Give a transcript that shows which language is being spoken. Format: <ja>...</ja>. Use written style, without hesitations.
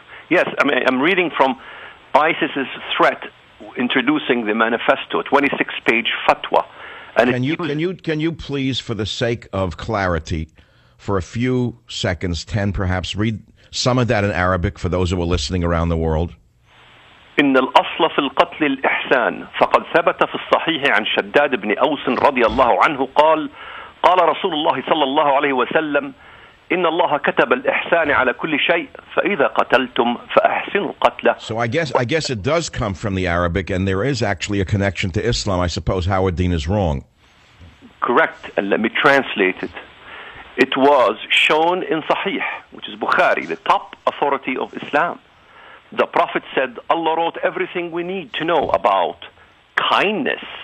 <en>Yes, I mean, I'm reading from ISIS's threat, introducing the manifesto, 26-page fatwa, And can you please, for the sake of clarity, for a few seconds, 10 perhaps, read some of that in Arabic for those who are listening around the world?</en> <ar>إن الأصل في القتل الإحسان فقد ثبت في الصحيح عن شداد بن أوس رضي الله عنه قال قال رسول الله صلى الله عليه وسلم إن الله كتب الإحسان على كل شيء فإذا قتلتم فأحسنوا القتل.</ar> <en>So I guess it does come from the Arabic, and there is actually a connection to Islam. I suppose Howard Dean is wrong. Correct, and let me translate it. It was shown in Sahih, which is Bukhari, the top authority of Islam. The Prophet said, Allah wrote everything we need to know about kindness.</en>